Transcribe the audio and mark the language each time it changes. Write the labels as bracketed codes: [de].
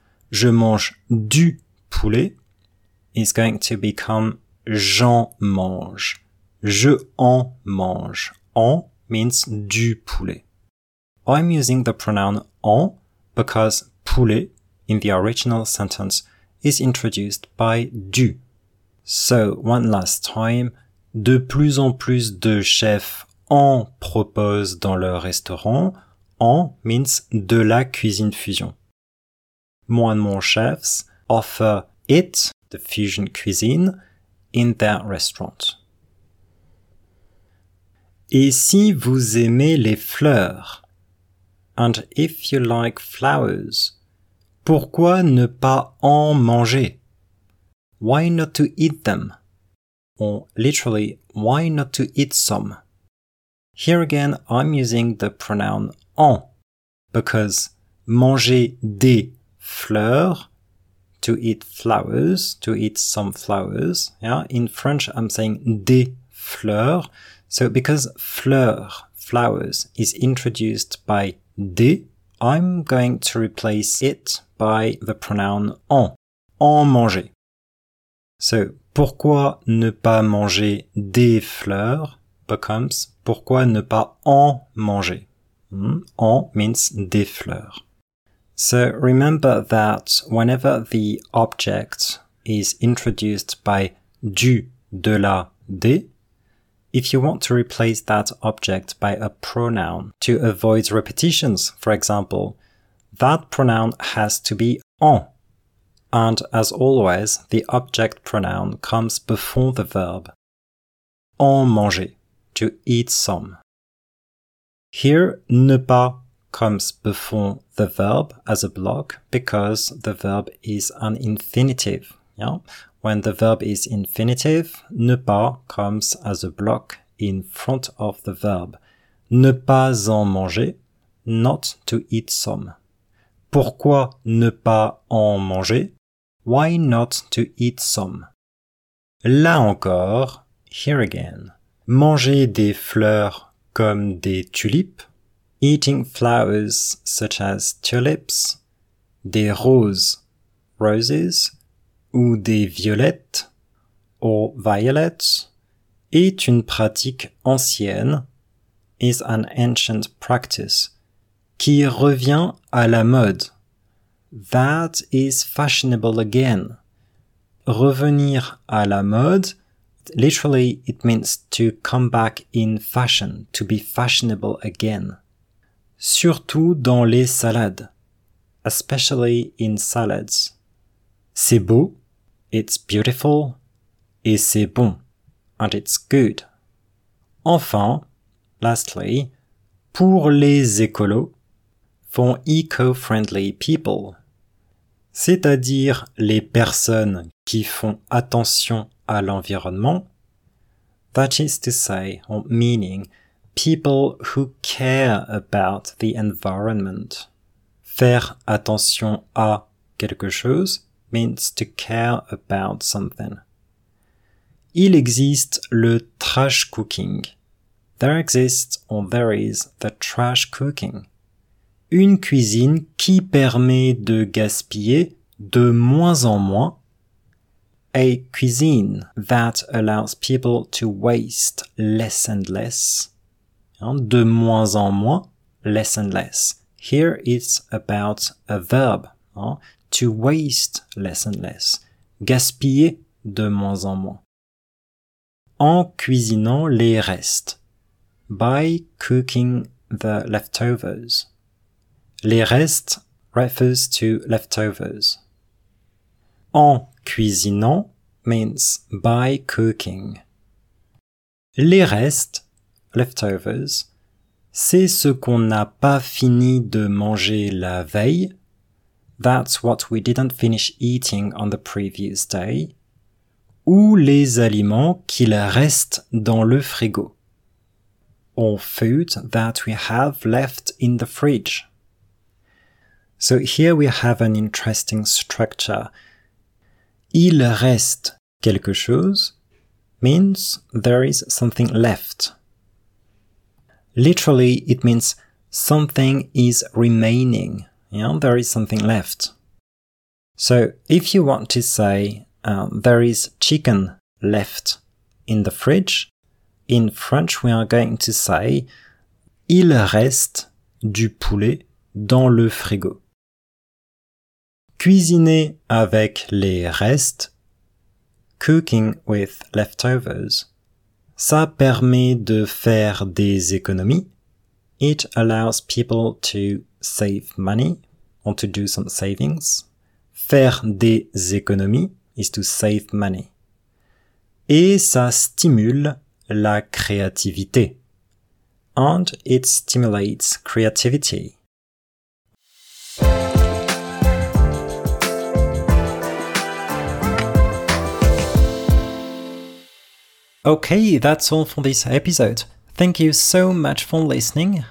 [fr] Je mange du poulet [en] is going to become [fr] j'en mange. Je en mange. En means du poulet. [en] I'm using the pronoun en because poulet in the original sentence is introduced by du. So one last time, [fr] de plus en plus de chefs en propose dans leur restaurant. En means de la cuisine fusion. [en] More and more chefs offer it, the fusion cuisine, in their restaurant. [fr] Ici vous aimez les fleurs. [en] And if you like flowers, [fr] pourquoi ne pas en manger? [en] Why not to eat them? Or literally, why not to eat some? Here again, I'm using the pronoun en, because [fr] manger des fleurs, [en] to eat flowers, to eat some flowers. Yeah, in French, I'm saying [fr] des fleurs. [en] So because fleurs, flowers, is introduced by des, I'm going to replace it by the pronoun en, [fr] en manger. So, pourquoi ne pas manger des fleurs becomes pourquoi ne pas en manger. En means des fleurs. [en] So, remember that whenever the object is introduced by du, de la, des, if you want to replace that object by a pronoun to avoid repetitions, for example, that pronoun has to be en. And as always, the object pronoun comes before the verb. [fr] En manger, [en] to eat some. Here, [fr] ne pas [en] comes before the verb as a block because the verb is an infinitive. Yeah? When the verb is infinitive, ne pas comes as a block in front of the verb. [fr] Ne pas en manger, [en] not to eat some. [fr] Pourquoi ne pas en manger? [en] Why not to eat some? [fr] Là encore, [en] here again. [fr] Manger des fleurs comme des tulipes. [en] Eating flowers such as tulips, [fr] des roses, roses, ou des violettes, [en] or violets, [fr] est une pratique ancienne, [en] is an ancient practice, [fr] qui revient à la mode. [en] That is fashionable again. [fr] Revenir à la mode, [en] literally it means to come back in fashion, to be fashionable again. [fr] Surtout dans les salades. [en] Especially in salads. [fr] C'est beau, [en] it's beautiful, [fr] et c'est bon, [en] and it's good. [fr] Enfin, [en] lastly, [fr] pour les écolos, [en] for eco-friendly people, [fr] c'est-à-dire les personnes qui font attention à l'environnement. [en] That is to say, or meaning, people who care about the environment. [fr] Faire attention à quelque chose [en] means to care about something. [fr] Il existe le trash cooking. [en] There exists or there is the trash cooking. [fr] Une cuisine qui permet de gaspiller de moins en moins. [en] A cuisine that allows people to waste less and less. [fr] De moins en moins, [en] less and less. Here it's about a verb. To waste less and less. [fr] Gaspiller de moins en moins. En cuisinant les restes. [en] By cooking the leftovers. [fr] Les restes [en] refers to leftovers. [fr] En cuisinant [en] means by cooking. [fr] Les restes, [en] leftovers, [fr] c'est ce qu'on n'a pas fini de manger la veille. [en] That's what we didn't finish eating on the previous day. [fr] Ou les aliments qu'il reste dans le frigo. [en] Or food that we have left in the fridge. So here we have an interesting structure. [fr] Il reste quelque chose [en] means there is something left. Literally, it means something is remaining. Yeah, there is something left. So if you want to say there is chicken left in the fridge, in French we are going to say [fr] il reste du poulet dans le frigo. Cuisiner avec les restes, [en] cooking with leftovers, [fr] ça permet de faire des économies. [en] It allows people to save money or to do some savings. [fr] Faire des économies [en] is to save money. [fr] Et ça stimule la créativité, [en] and it stimulates creativity. Okay, that's all for this episode. Thank you so much for listening.